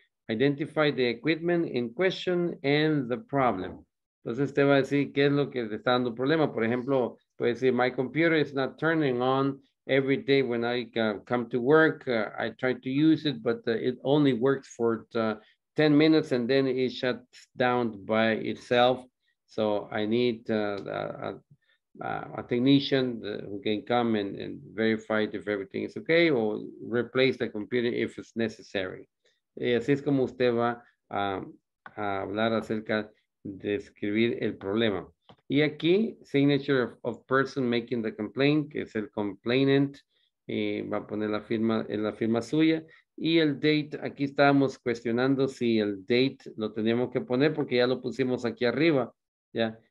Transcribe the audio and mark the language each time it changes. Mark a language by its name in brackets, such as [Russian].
[English] Identify the equipment in question and the problem. [Spanish] Entonces te va a decir qué es lo que te está dando problema. Por ejemplo, puede decir [English] my computer is not turning on every day when I come to work. I try to use it, but it only works for 10 minutes and then it shuts down by itself. So I need a technician who can come and verify if everything is okay or replace the computer if it's necessary. [Spanish] Y así es como usted va a hablar acerca de escribir el problema. Y aquí, [English] signature of person making the complaint, [Spanish] que es el complainant, y va a poner la firma en la firma suya. Y el date, aquí estábamos cuestionando si el date lo teníamos que poner porque ya lo pusimos aquí arriba, ¿ya?